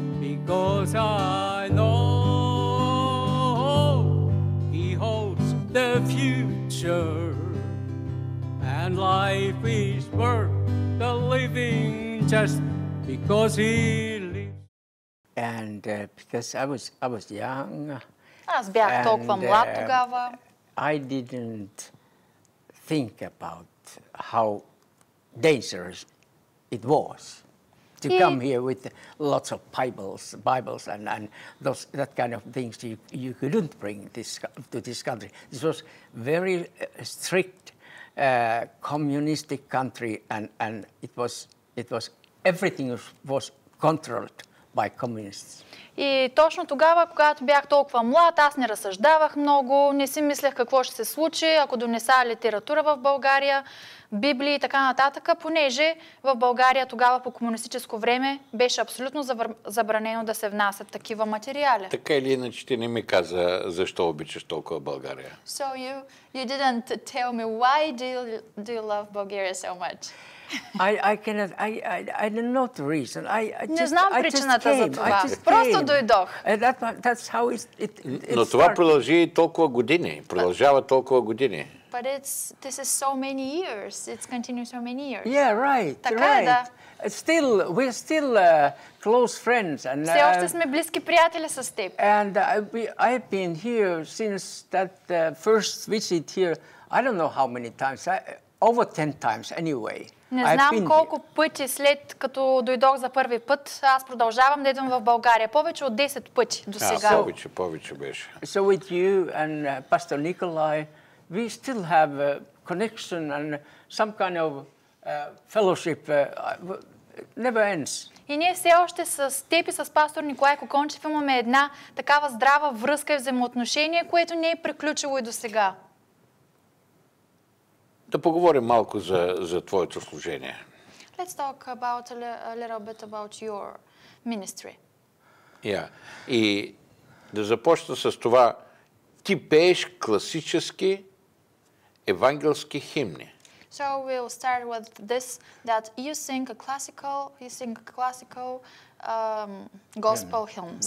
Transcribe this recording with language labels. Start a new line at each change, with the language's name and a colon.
English: Because I know he holds the future, and life is worth the living just because he lives. And because I was young.
Bulgarian: Аз бях толкова млад тогава.
English: I didn't think about how dangerous it was to come here with lots of Bibles and those, that kind of things you couldn't bring to this country. This was very strict communistic country, and it was everything was controlled by communists.
Bulgarian: И точно тогава, когато бях толкова млад, аз не разсъждавах много, не си мислех какво ще се случи, ако донеса литература в България, Библии и така нататък, понеже в България тогава по комунистическо време беше абсолютно забранено да се внасят такива материали. Така или иначе ти не ми каза защо обичаш толкова България.
English: So you didn't tell me why do you love Bulgaria so much? I don't know the reason.
Bulgarian: Не знам причината за това. Просто дойдох.
English: That's how it started.
Bulgarian: Но това продължи и толкова години. Продължава толкова години.
English: But this is so many years. It's continued so many years. Yeah, right.
Bulgarian: Така е, да.
English: Still, we're still close friends. And
Bulgarian: все още сме близки приятели с теб.
English: And I've been here since that first visit here. I don't know how many times. Over 10 times anyway.
Bulgarian: Не знам колко пъти след като дойдох за първи път, аз продължавам да идвам в България. Повече от 10 пъти до сега. Да, повече беше.
English: So with you and Pastor Nikolai, we still have a connection and some kind of fellowship never ends.
Bulgarian: И ние все още с теб и с пастор Николай Кокончев имаме една такава здрава връзка и взаимоотношение, което не е приключило и до сега. Да поговорим малко за твоето служение.
English: Let's talk about a little bit about your ministry. Yeah.
Bulgarian: И да започна с това, ти пееш класически евангелски химни.
English: So we'll start with this, that you sing a classical, gospel hymns.